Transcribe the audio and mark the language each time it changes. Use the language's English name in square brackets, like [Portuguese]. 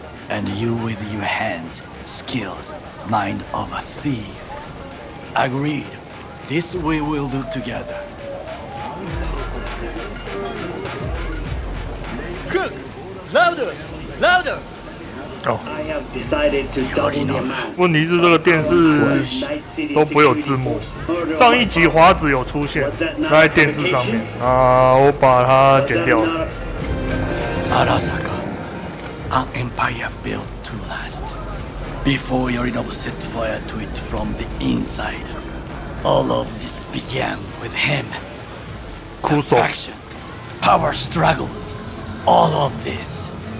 [English] And you with your hands, skills, mind of a thief. Agreed. This we will do together. Cook! Louder! Louder! Oh. I have decided to double down. [Chinese] 问题是这个电视都不会有字幕。上一集华子有出现在电视上面。啊，我把它剪掉了。 [English] Arasaka, an empire built to last. Before Yorinobu set fire to it from the inside. All of this began with him. [Japanese] Kuso. [English] Factions, power struggles, all of this.